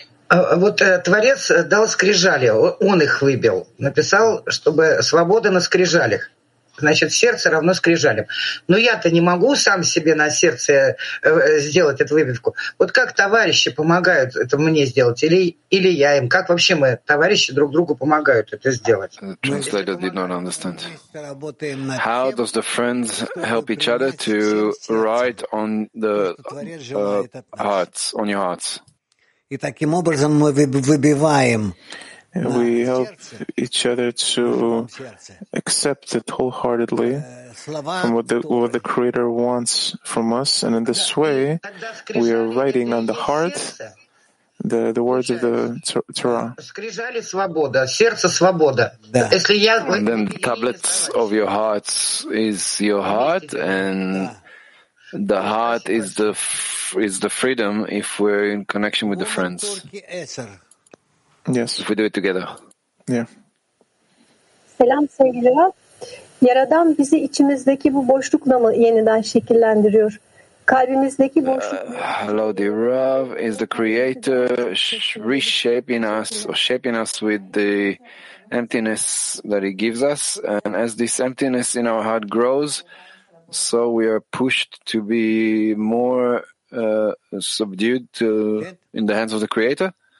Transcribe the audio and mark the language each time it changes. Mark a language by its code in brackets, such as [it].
[ru] Вот Творец дал скрижали, он их выбил, написал, чтобы свобода на скрижалях. Значит, сердце равно скрижалям. Но я-то не могу сам себе на сердце сделать эту выбивку. Вот как товарищи помогают это мне сделать, или я им? Как вообще мы, товарищи, друг другу помогают это сделать? [en] Translator did not understand. How does the friends help each other to write on the hearts, on your hearts? [ru] И таким образом мы выбиваем [en] We help each other to accept it wholeheartedly from what the Creator wants from us. And in this way, we are writing on the heart the words of the Torah. And then the tablets of your hearts is your heart, and the heart is the freedom if we're in connection with the friends. Yes. If we do it together. Yeah. [tr] Selam sevgili Rab. Yaradan bizi içimizdeki bu boşlukla mı yeniden şekillendiriyor? Kalbimizdeki boşluk. [en] Hello, dear Rav. Is the Creator reshaping us or shaping us with the emptiness that He gives us? And as this emptiness in our heart grows, so we are pushed to be more subdued to in the hands of the Creator?